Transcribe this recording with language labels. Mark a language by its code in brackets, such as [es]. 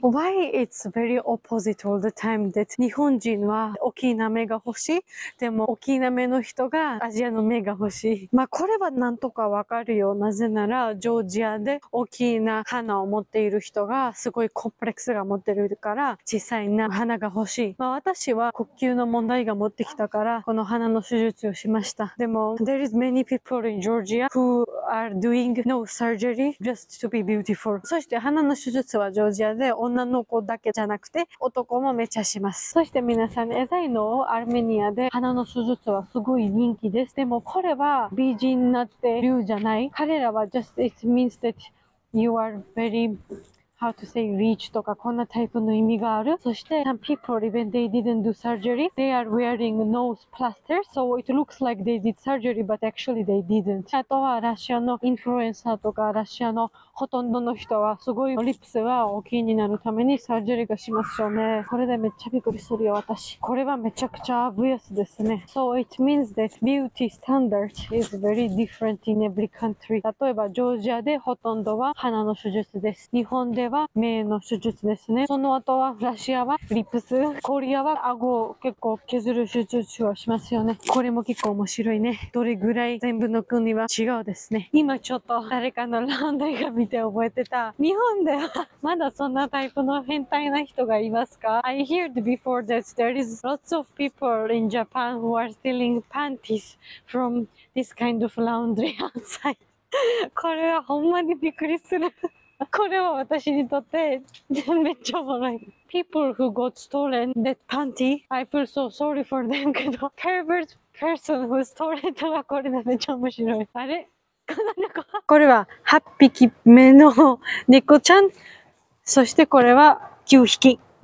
[en] Why it's very opposite all the time that [ja] 日本人は大きな目が欲しい、でも大きな目の人がアジアの目が欲しい。まあこれはなんとかわかるよ。なぜならジョージアで大きな鼻を持っている人がすごいコンプレックスが持ってるから小さいな鼻が欲しい。まあ私は呼吸の問題が持ってきたからこの鼻の手術をしました。でも [en] There is many people in Georgia who are doing no surgery just to be beautiful。 [ja] そして鼻の手術はジョージアで女の子だけじゃなくて男もめちゃします。そして皆さんエザイのアルメニアで鼻の手術はすごい人気です。でもこれは美人になって流じゃない。彼らは [en] just it means that you are veryHow to say reach [ja] とかこんなタイプの意味がある。そして [en] some people even they didn't do surgery they are wearing nose plaster so it looks like they did surgery but actually they didn't。 [ja] あとはラシアのインフルエンサーとかラシアのほとんどの人はすごいリップスが大きいになるためにサージェリーがしますよね。これでめっちゃびっくりするよ私。これはめちゃくちゃ [en] obvious [ja] ですね。 [en] So it means that beauty standard is very different in every country。 [ja] 例えばジョージアでほとんどは鼻の手術です。日本では目の手術ですね。その後はラシアはリップス、コリアは顎を結構削る手術をしますよね。これも結構面白いね。どれぐらい全部の国は違うですね。今ちょっと誰かのラウンドが見て覚えてた。日本ではまだそんなタイプの変態な人がいますか？ [en] I heard before that there is lots of people in Japan who are stealing panties from this kind of laundry outside. [ja] これはほんまにびっくりする。これは私にとってめっちゃおもろい。 [en] People who got stolen that panty, I feel so sorry for them [ja] けど、 [en] pervert person who stole it [ja] はこれがめっちゃ面白い。あれ？これは8匹目の猫ちゃん、そしてこれは9匹。